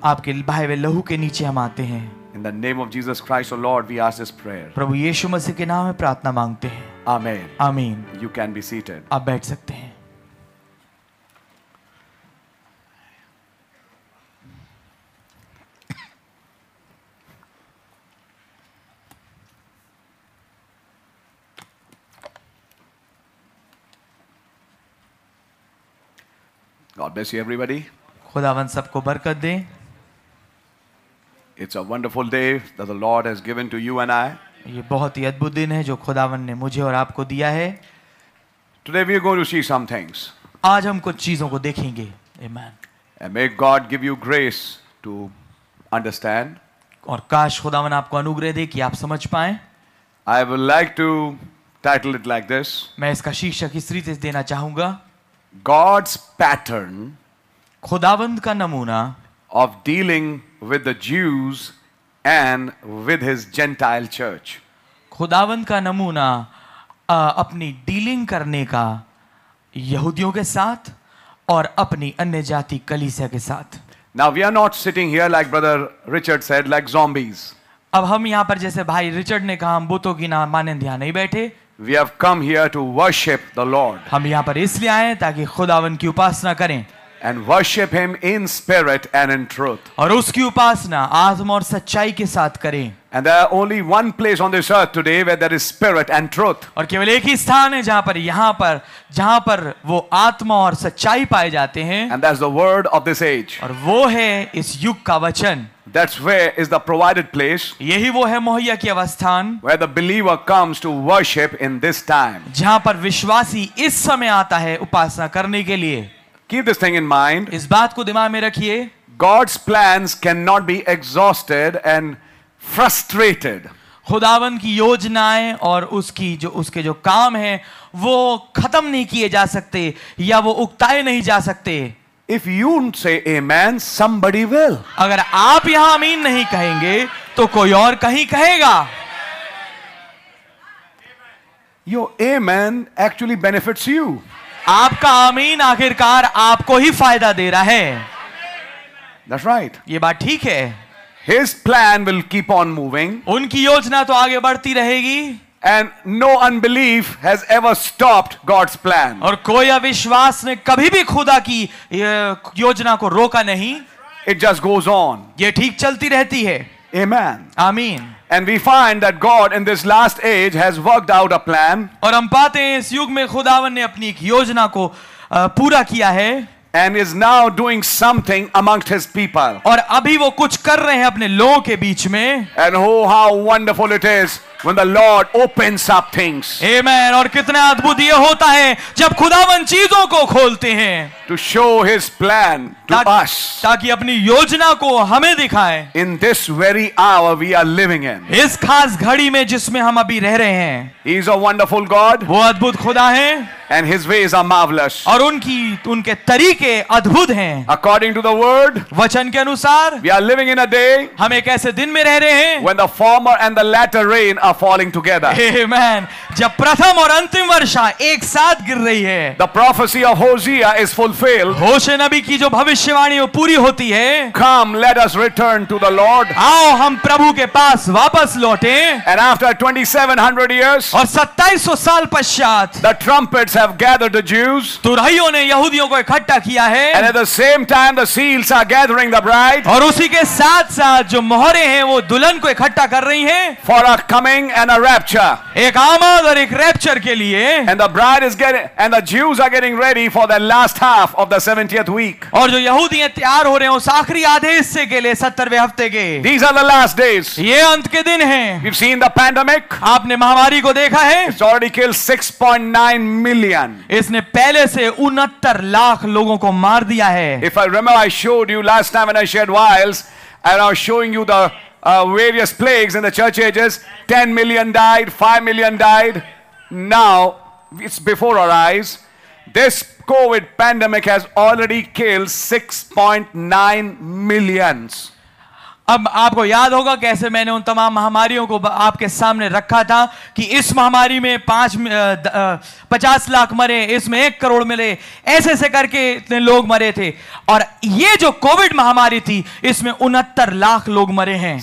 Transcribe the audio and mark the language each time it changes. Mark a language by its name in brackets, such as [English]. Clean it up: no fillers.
[Hindi] आपके बहे हुए लहू के नीचे हम आते हैं। [English] In the name of Jesus Christ, O Lord, we ask this prayer. [Hindi] प्रभु यीशु मसीह के नाम में प्रार्थना मांगते हैं। [English] Amen. Amen. You can be seated. [Hindi] आप बैठ सकते हैं। [English] God bless you, everybody. [Hindi] खुदावन सबको बरकत दे। [English] It's a wonderful day that the Lord has given to you and I. [Hindi] ये बहुत ही अद्भुत दिन है जो खुदावन ने मुझे और आपको दिया है। [English] Today we are going to see some things. [Hindi] आज हम कुछ चीजों को देखेंगे। [English] Amen. And may God give you grace to understand. [Hindi] और काश खुदावन आपको अनुग्रह दे कि आप समझ पाएं। [English] I would like to title it like this. [Hindi] मैं इसका शीर्षक इस रीति से देना चाहूँगा। [English] God's pattern, [Hindi] खुदावंद का नमूना, [English] of dealing with the Jews and with His Gentile church, [Hindi] खुदावंद का नमूना अपनी डीलिंग करने का यहूदियों के साथ और अपनी अन्य जाति कलीसिया के साथ। [English] Now we are not sitting here like Brother Richard said, like zombies. [Hindi] अब हम यहाँ पर जैसे भाई रिचर्ड ने कहा, हम बुतों की ना मानें ध्यान नहीं बैठे। [English] We have come here to worship the Lord. [Hindi] हम यहाँ पर इसलिए आए ताकि खुदावन की उपासना करें। [English] And worship Him in spirit and in truth. [Hindi] और उसकी उपासना आत्मा और सच्चाई के साथ करें। [English] And there are only one place on this earth today where there is spirit and truth. [Hindi] और केवल एक ही स्थान है जहाँ पर वो आत्मा और सच्चाई पाए जाते हैं। [English] And that's the word of this age. [Hindi] और वो है इस युग का वचन। [English] That's where is the provided place. [Hindi] यही वो है मुहैया किया हुआ स्थान। [English] Where the believer comes to worship in this time. [Hindi] जहाँ पर विश्वासी इस समय आता है उपासना करने के लिए। [English] Keep this thing in mind. [Hindi] इस बात को दिमाग में रखिए। [English] God's plans cannot be exhausted and frustrated. [Hindi] खुदावन की योजनाएं और उसकी जो उसके जो काम है वो खत्म नहीं किए जा सकते या वो उकताए नहीं जा सकते। [English] If you say amen, somebody will. [Hindi] अगर आप यहां अमीन नहीं कहेंगे तो कोई और कहीं कहेगा। [English] Your amen actually benefits you. [Hindi] आपका आमीन आखिरकार आपको ही फायदा दे रहा है। [English] That's right. [Hindi] ये बात ठीक है। [English] His plan will keep on moving. [Hindi] उनकी योजना तो आगे बढ़ती रहेगी। [English] And no unbelief has ever stopped God's plan. [Hindi] और कोई अविश्वास ने कभी भी खुदा की योजना को रोका नहीं। [English] It just goes on. [Hindi] ये ठीक चलती रहती है। [English] Amen. [Hindi] आमीन। [English] And we find that God in this last age has worked out a plan. [Hindi] और हम पाते हैं इस युग में खुदावन ने अपनी एक योजना को पूरा किया है। [English] And is now doing something amongst His people. [Hindi] और अभी वो कुछ कर रहे हैं अपने लोगों के बीच में। [English] And oh, how wonderful it is when the Lord opens up things. Amen. [Hindi] और कितना अद्भुत ये होता है जब खुदावन चीजों को खोलते हैं। [English] To show His plan to us. [Hindi] ताकि अपनी योजना को हमें दिखाए। [English] In this very hour we are living in. [Hindi] इस खास घड़ी में जिसमें हम अभी रह रहे हैं। [English] He is a wonderful God. [Hindi] वो अद्भुत खुदा है। [English] And His ways are marvelous. [Hindi] और उनके तरीके अद्भुत हैं। [English] According to the word. [Hindi] वचन के अनुसार। [English] We are living in a day. [Hindi] हम एक ऐसे दिन में रह रहे हैं। [English] When the former and the latter rain are falling together. Amen. [Hindi] जब प्रथम और अंतिम वर्षा एक साथ गिर रही है. [English] The prophecy of Hosea is fulfilled. [Hindi] होशे नबी की जो भविष्यवाणी वो पूरी होती है. [English] Come, let us return to the Lord. [Hindi] आओ हम प्रभु के पास वापस लौटें. [English] And after 2700 years, [Hindi] और 2700 साल पश्चात, [English] the trumpets have gathered the Jews. [Hindi] तुरहियों ने यहूदियों को इकट्ठा किया है. [English] And at the same time, the seals are gathering the bride. [Hindi] और उसी के साथ साथ जो मोहरे हैं वो दुल्हन को इकट्ठा कर रही हैं. [English] For a coming and a rapture. [Hindi] एक आमद और एक रैप्चर के लिए. [English] And the bride is getting and the Jews are getting ready for the last half of the 70th week. [Hindi] और जो यहूदी हैं तैयार हो रहे हैं उस आखिरी आधे हिस्से के लिए 70वें हफ्ते के. [English] These are the last days. [Hindi] ये अंत के दिन हैं. [English] We've seen the pandemic. [Hindi] आपने महामारी को देखा है. [English] It's already killed 6.9 million. [Hindi] इसने पहले से 69 लाख लोगों को मार दिया है. [English] If I remember, I showed you last time when I shared vials, and I was showing you the various plagues in the church ages. 10 million died, 5 million died. Now, it's before our eyes. This COVID pandemic has already killed 6.9 million. [Hindi] अब आपको याद होगा कैसे मैंने उन तमाम महामारियों को आपके सामने रखा था कि इस महामारी में 50 लाख मरे, इसमें 1 करोड़ मिले, ऐसे ऐसे करके इतने लोग मरे थे. और ये जो कोविड महामारी थी इसमें 69 लाख लोग मरे हैं.